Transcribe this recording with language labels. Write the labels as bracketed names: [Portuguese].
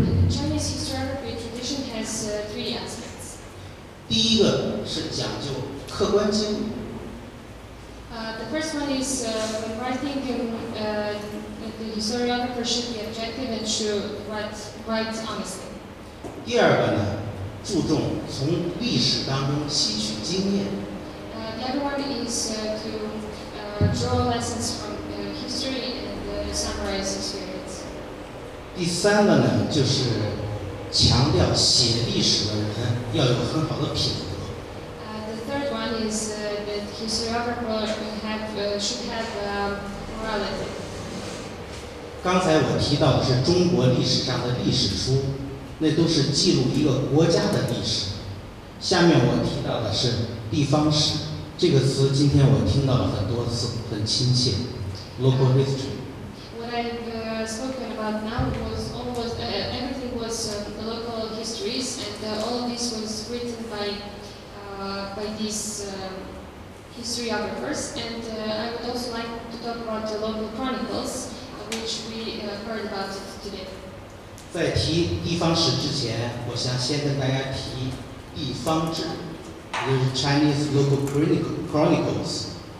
[English] Chinese historical tradition has three aspects. [Chinese] 第一个是讲究客观经历。 [English] The first one is writing. The historiographer should be objective and should write honestly. [Chinese] 第二个呢，注重从历史当中吸取经验。 [English] The other one is to draw lessons from history and summarize experience. [Chinese] 第三个呢，就是强调写历史的人要有很好的品格。 [English] The third one is that historiographer should have morality. [Chinese] 刚才我提到的是中国历史上的历史书，那都是记录一个国家的历史。下面我提到的是地方史，这个词今天我听到了很多次，很亲切。 [English] Local history. What I've was talking about now was almost everything was the local histories, and all of this was written by these historiographers. And I would also like to talk about the local chronicles, which we heard about today. [Chinese] 在提地方史之前，我想先跟大家提地方志，也就是 Chinese local chronicles。